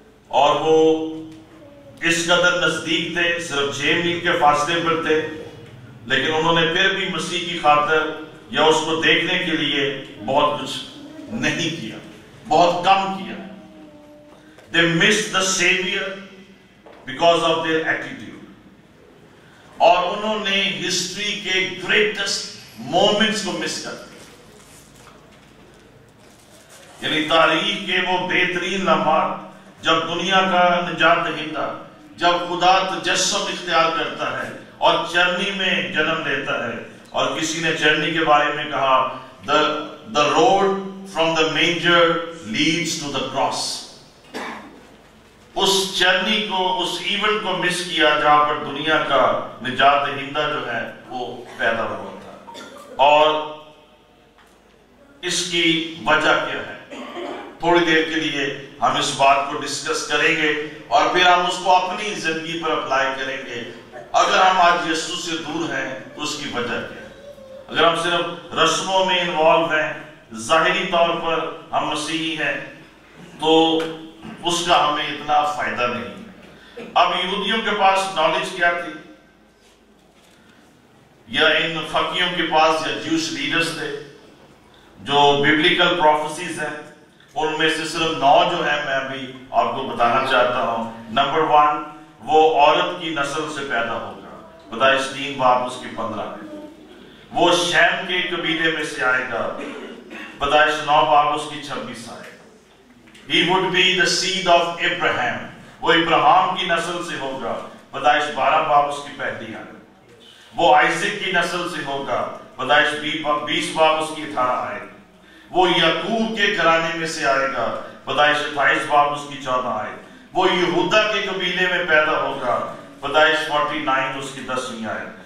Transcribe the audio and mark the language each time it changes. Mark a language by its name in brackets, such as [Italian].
[Urdu] اور وہ اس قدر نزدیک تھے، صرف 6 میل کے فاصلے پر تھے، لیکن انہوں نے پھر بھی مسیح کی خاطر یا اس کو دیکھنے کے لیے بہت کچھ نہیں کیا، بہت کم کیا. [English] They missed the savior because of their attitude. [Urdu] اور انہوں نے ہسٹری کے گریٹسٹ مومنٹس کو مس کر دیا، یعنی تاریخ کے وہ بہترین لمحات، جب دنیا کا نجات دہندہ، جب خدا تجسم اختیار کرتا ہے اور چرنی میں جنم لیتا ہے. اور کسی نے چرنی کے بارے میں کہا، [English] the road from the manger leads to the cross. [Urdu] اس چرنی کو، اس ایونٹ کو مس کیا جہاں پر دنیا کا نجات دہندہ جو ہے وہ پیدا ہوا تھا. اور اس کی وجہ کیا ہے، تھوڑی دیر کے لیے ہم اس بات کو ڈسکس کریں گے اور پھر ہم اس کو اپنی زندگی پر اپلائی کریں گے. اگر ہم آج یسوع سے دور ہیں تو اس کی وجہ کیا ہے؟ اگر ہم صرف رسموں میں انوالو ہیں، ظاہری طور پر ہم مسیحی ہیں، تو اس کا ہمیں اتنا فائدہ نہیں. اب یہودیوں کے پاس نالج کیا تھی، یا ان فقیوں کے پاس، یا جیوش لیڈرز تھے جو بیبلیکل پروفیسیز ہیں، ان میں سے صرف 9 جو ہیں میں ابھی آپ کو بتانا چاہتا ہوں. نمبر 1، وہ عورت کی نسل سے پیدا ہوگا، پیدائش 3:15. وہ شیم کے قبیلے میں سے آئے گا، پیدائش 9:26. [English] He would be the seed of Abraham. [Urdu] وہ ابراہیم کی نسل سے ہوگا، پیدائش 12:5. وہ آئزک کی نسل سے ہوگا، پیدائش 20:18. وہ یعقوب کے گھرانے میں سے آئے گا، پیدائش 28:14. وہ یہودا کے قبیلے میں پیدا ہوگا، پیدائش 49:10.